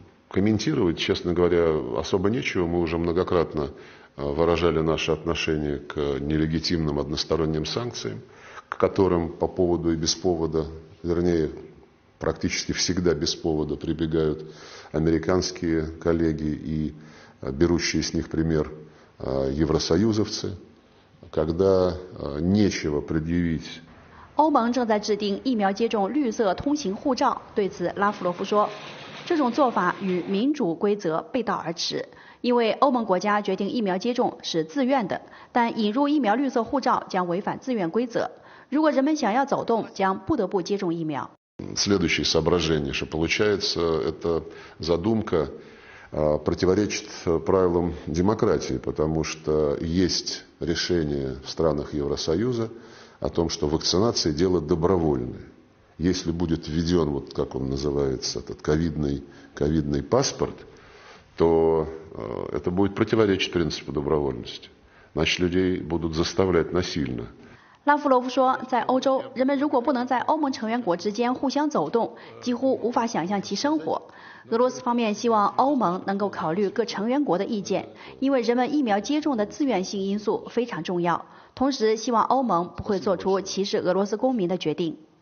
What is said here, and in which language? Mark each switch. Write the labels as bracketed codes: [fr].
[ru] Комментировать, честно говоря, особо нечего. Мы уже многократно выражали наше отношение к нелегитимным односторонним санкциям, к которым по поводу и без повода, вернее, практически всегда без повода прибегают американские коллеги и берущие с них пример евросоюзовцы, когда нечего предъявить. [zh] 欧盟正在制定疫苗接种绿色通行护照，对此拉夫罗夫说，这种做法与民主规则背道而驰。因为欧盟国家决定疫苗接种是自愿的，但引入疫苗绿色护照将违反自愿规则。如果人们想要走动，将不得不接种疫苗。 [ru] Следующее соображение, что получается, эта задумка противоречит правилам демократии, потому что есть решение в странах Евросоюза о том, что вакцинация дело добровольное. Если будет введен вот как он называется этот ковидный паспорт. То это будет противоречить принципу добровольности. Значит, людей будут заставлять насильно. [zh] 拉夫罗夫说，在欧洲，人们如果不能在欧盟成员国之间互相走动，几乎无法想象其生活。俄罗斯方面希望欧盟能够考虑各成员国的意见，因为人们疫苗接种的自愿性因素非常重要。同时，希望欧盟不会做出歧视俄罗斯公民的决定。